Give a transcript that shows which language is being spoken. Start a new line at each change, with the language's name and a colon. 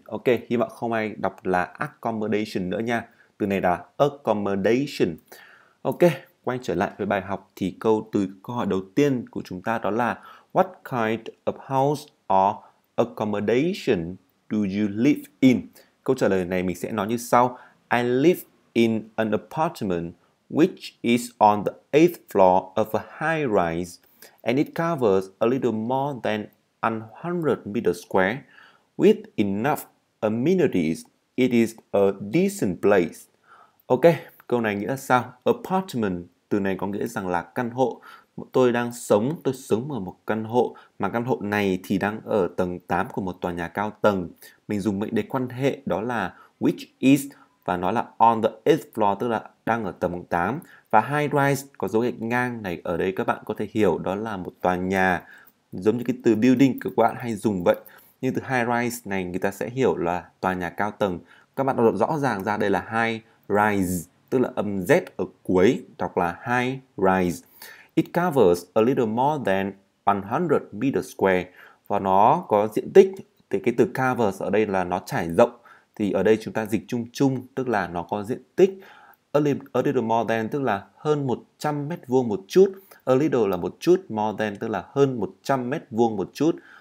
Vietnamese: Ok, hy vọng không ai đọc là accommodation nữa nha. Từ này là accommodation. Ok, quay trở lại với bài học thì câu hỏi đầu tiên của chúng ta đó là
English: what kind of house or accommodation do you live in?
Vietnamese: Câu trả lời này mình sẽ nói như sau.
English: I live in an apartment which is on the 8th floor of a high rise and it covers a little more than 100 meters square. With enough amenities, it is a decent place.
Vietnamese: Ok, câu này nghĩa là sao? Apartment, từ này có nghĩa rằng là căn hộ. Tôi sống ở một căn hộ, mà căn hộ này thì đang ở tầng 8 của một tòa nhà cao tầng. Mình dùng mệnh đề quan hệ đó là
English: which is,
Vietnamese: và nó là
English: on the 8th floor,
Vietnamese: tức là đang ở tầng 8. Và high rise có dấu gạch ngang này ở đây, các bạn có thể hiểu đó là một tòa nhà, giống như cái từ building của các bạn hay dùng vậy. Nhưng từ high rise này người ta sẽ hiểu là tòa nhà cao tầng. Các bạn đọc rõ ràng ra đây là high rise, tức là âm Z ở cuối, đọc là high rise.
English: It covers a little more than 100 meters square.
Vietnamese: Và nó có diện tích, thì cái từ covers ở đây là nó trải rộng. Thì ở đây chúng ta dịch chung chung, tức là nó có diện tích.
English: A little more than,
Vietnamese: tức là hơn 100 mét vuông một chút. A little là một chút,
English: more than,
Vietnamese: tức là hơn 100 mét vuông một chút.